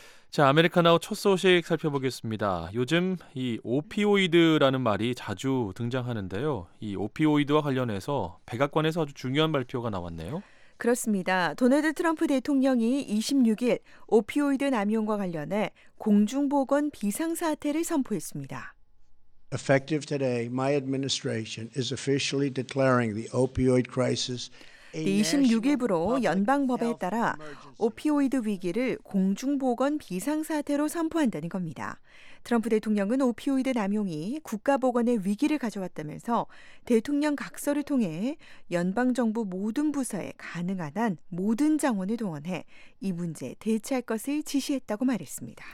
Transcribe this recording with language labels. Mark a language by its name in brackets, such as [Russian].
[Korean] 자, 아메리카나우 첫 소식 살펴보겠습니다. 요즘 이 오피오이드라는 말이 자주 등장하는데요. 이 오피오이드와 관련해서 백악관에서 아주 중요한 발표가 나왔네요. 그렇습니다. 도널드 트럼프 대통령이 26일 오피오이드 남용과 관련해 공중보건 비상사태를 선포했습니다. [English] Effective today, my administration is officially declaring the opioid crisis. [Korean] 26일부로 연방법에 따라 오피오이드 위기를 공중보건 비상사태로 선포한다는 겁니다. 트럼프 대통령은 오피오이드 남용이 국가보건의 위기를 가져왔다면서 대통령 각서를 통해 연방정부 모든 부서에 가능한 한 모든 장원을 동원해 이 문제에 대처할 것을 지시했다고 말했습니다.